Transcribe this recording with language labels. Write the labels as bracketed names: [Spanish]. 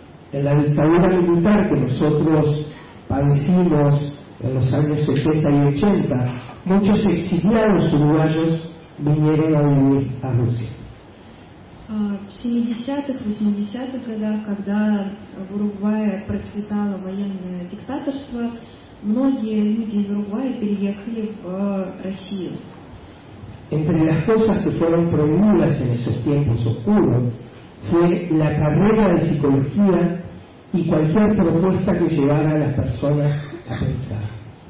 [Spanish] En la dictadura militar que nosotros padecimos en los años 70 y 80, muchos exiliados uruguayos vinieron a vivir a Rusia. [Russian] В 70-х, 80-х годах, когда в Уругвае процветало военное диктаторство, многие люди из Уругвая переехали в Россию. [Spanish] Entre las cosas que fueron prohibidas en esos tiempos oscuros fue la carrera de psicología y cualquier propuesta que llevara a las personas a pensar.